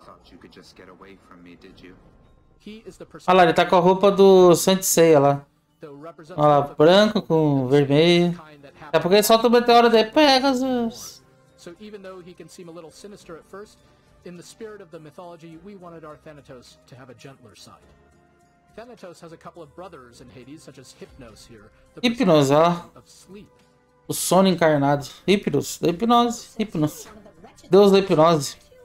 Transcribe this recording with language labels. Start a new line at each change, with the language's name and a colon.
English: You could just get away from me, did you? He is the person.
Portuguese: Olha, ele tá com a roupa do Saint Seiya lá. Olha lá, branco com vermelho. É porque ele solta o meteoro de Pegasus.
English: So even though he can seem a little sinister at first, in the spirit of the mythology, we wanted our Thanatos to have a gentler side. Thanatos has a couple of brothers in Hades, such as Hypnos here.
Portuguese: Hypnos, ó. O sono encarnado. Hypnos, da hipnose. Hypnos. Deus da hipnose.